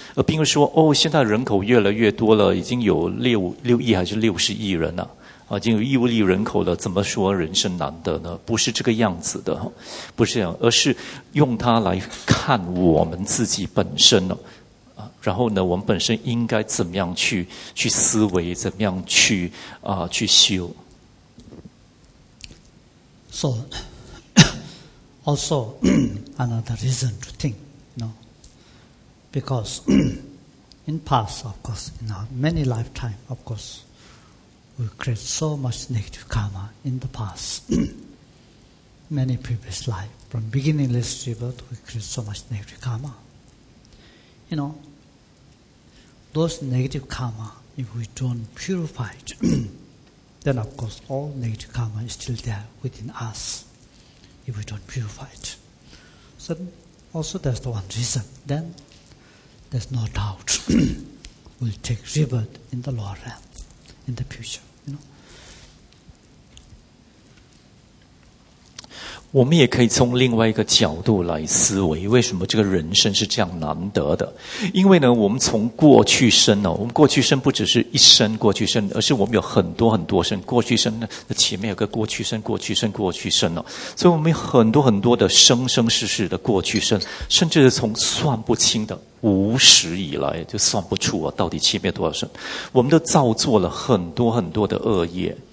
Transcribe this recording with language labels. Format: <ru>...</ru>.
<zh>而并不是说哦，现在人口越来越多了，已经有六亿还是60亿人了 已经有1亿人口了，怎么说人生难得呢？不是这个样子的，不是这样，而是用它来看我们自己本身呢啊。然后呢，我们本身应该怎么样去思维，怎么样去修？</zh> <en>So. Also, another reason to think, you know, because in past, of course, in our many lifetimes, of course, we create so much negative karma in the past, many previous lives. From beginningless rebirth, we create so much negative karma. You know, those negative karma, if we don't purify it, then of course all negative karma is still there within us. If we don't purify it. So also that's the one reason. Then there's no doubt we'll take rebirth in the lower realm in the future. You know?</en> <zh>我们也可以从另外一个角度来思维，为什么这个人生是这样难得的？因为呢，我们从过去生呢，我们过去生不只是一生过去生，而是我们有很多很多生，过去生呢，前面有个过去生，过去生，过去生呢，所以我们有很多很多的生生世世的过去生，甚至是从算不清的无始以来，就算不出啊，到底前面多少生，我们都造作了很多很多的恶业。</zh>